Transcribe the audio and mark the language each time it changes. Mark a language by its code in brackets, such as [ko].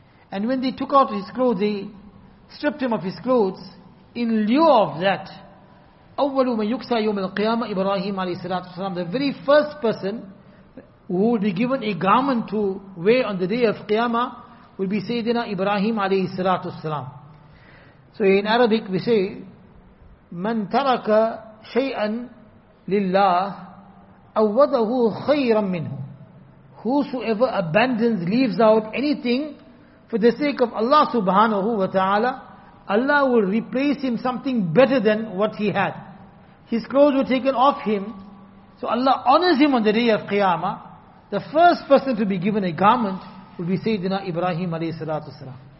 [en] And when they took out his clothes, they stripped him of his clothes. In lieu of that, [ar] أول من يكسى يوم القيامة إبراهيم عليه الصلاة والسلام, [en] the very first person who will be given a garment to wear on the day of Qiyamah will be Sayyidina Ibrahim alayhi salatu salam. So in Arabic we say, [ar] مَنْ تَرَكَ شَيْئًا لِلَّهِ أَوَّضَهُ خَيْرًا مِّنْهُ. [en] Whosoever abandons, leaves out anything for the sake of Allah subhanahu wa ta'ala, Allah will replace him something better than what he had. His clothes were taken off him, so Allah honors him on the day of Qiyamah. The first person to be given a garment will be Sayyidina Ibrahim alayhi salatu salam.